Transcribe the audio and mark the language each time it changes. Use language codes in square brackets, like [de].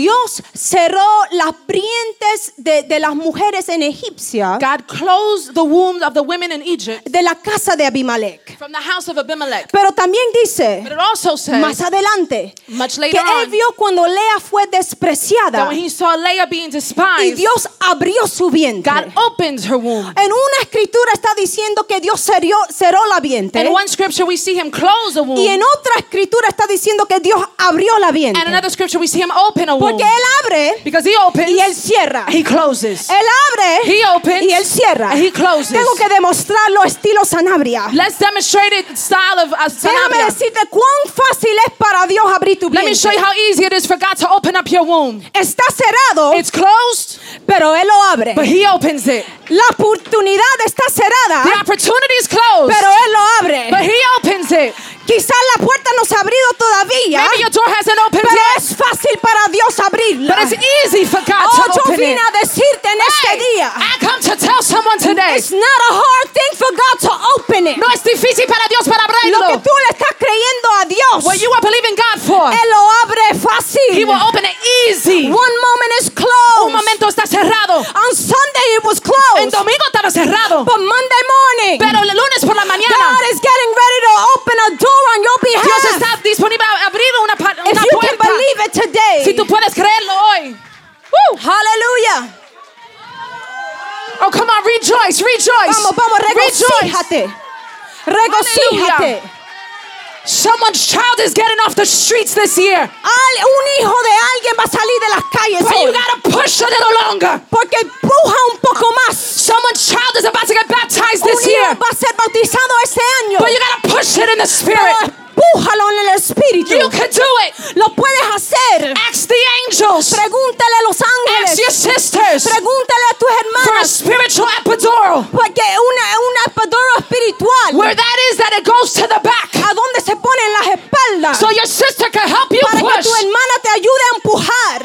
[es] Dios cerró las vientres de las mujeres en Egipcia, [en] God closed the wombs of the women in Egypt, [es] de la casa de Abimelech, [en] from the house of Abimelech. [es] Pero también dice, [en] but it also says, [es] más adelante, [en] much later, [es] que él vio cuando Lea fue despreciada, [en] that when he saw Leah being despised, [es] y Dios abrió su vientre, [en] God opened her womb. [es] En una escritura está diciendo que Dios cerró la vientre, [en] in one scripture we see him close the womb, [es] y en otra escritura está diciendo que Dios abrió la vientre. [en] And another scripture we see him open a womb. [es] Porque él abre. [en] Because he opens. [es] Y él cierra. [en] He closes. [es] Él abre. [en] He opens. [es] Y él cierra. [en] And he closes. [es] Tengo que demostrarlo estilo Sanabria. [en] Let's demonstrate it style of Sanabria. [es] Déjame decirte cuán fácil es para Dios abrir tu vientre. [en] Let me show you how easy it is for God to open up your womb. [es] Está cerrado. [en] It's closed. [es] Pero él lo abre. [en] But he opens it. [es] La oportunidad está cerrada. [en] The opportunity is closed. [es] Pero él lo abre. [en] But he opens it. [es] Quizás la puerta no se ha abierto todavía. [en] Maybe your door hasn't opened [es] pero [en] yet. [es] Es fácil para Dios abrirla. [en] But it's easy for God to open it. [es] Oh, yo vine a decirte en [en] hey, [es] este día. [en] I come to tell someone today. It's not a hard thing for God to open it. [es] No es difícil para Dios para abrirlo. Lo que tú le estás creyendo a Dios. [en] What you are believing God for. [es] Él lo abre fácil. [en] He will open it easy. One moment is closed. [es] Un momento está cerrado. [en] On Sunday it was closed. [es] En domingo estaba cerrado. [en] But Monday morning. [es] Pero el lunes por la mañana. [en] God is getting ready to open a door. On your behalf. [es] Dios está disponible a abrir una puerta. [en] If you can believe it today. [es] Si tú puedes creerlo hoy. [en] Woo. Hallelujah. Oh, come on, rejoice, rejoice. [es] Vamos, regocíjate. Regocíjate. [en] Someone's child is getting off the streets this year. [es] Un hijo de alguien va a salir de las calles. [en] But you gotta push a little longer. [es] Porque empuja un poco más. [en] Someone's child is about to get baptized this year. [es] Va a ser bautizado este año. [en] But you gotta push shit in the spirit. [es] Empújalo en el espíritu. [en] You can do it. [es] Lo puedes hacer. [en] Ask the angels. [es] Pregúntale a los ángeles. [en] Ask your sisters. [es] Pregúntale a tus hermanas. [en] For a spiritual epidural. [es] Porque una epidural espiritual. [en] Where that is, that it goes to the back. [es] A donde se pone en las espaldas. [en] So your sister can help you [es] para [en] push. [es] Para que tu hermana te ayude a empujar.